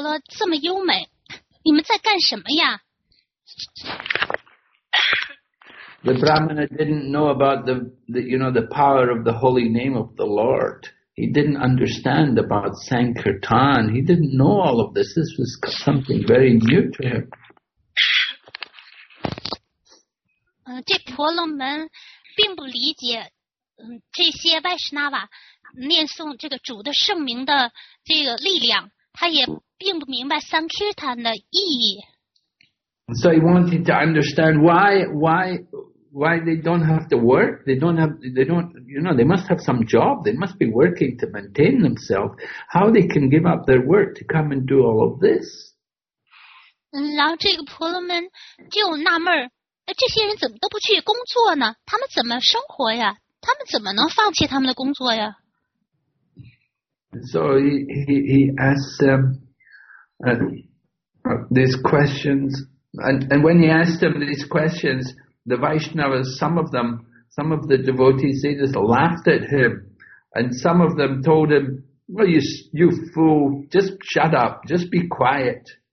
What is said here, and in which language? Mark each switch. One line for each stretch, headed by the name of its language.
Chinese: 这个婆罗门跟这个这些外师那把说，哎呀，你们的提拉克这么漂亮，而且你们念诵这个曼陀罗这么优美，你们在干什么呀？
English: The Brahmana didn't know about the power of the holy name of the Lord. He didn't understand about Sankirtan. He didn't know all of this. This was something very new to him.
Chinese: 这婆罗门并不理解这些Vaishnava念诵这个主的圣名的这个力量，他也并不明白 Sankirtan的意义。
English: So he wanted to understand why they don't have to work, they must have some job, they must be working to maintain themselves, how they can give up their work to come and do all of this.
Chinese: 然后这个婆罗门就纳闷,这些人怎么都不去工作呢？他们怎么生活呀？他们怎么能放弃他们的工作呀？
English: So he asks them these questions, and when he asks them these questions, the Vaishnavas, some of the devotees, they just laughed at him, and some of them told him, "Well, you fool, just shut up, just be quiet."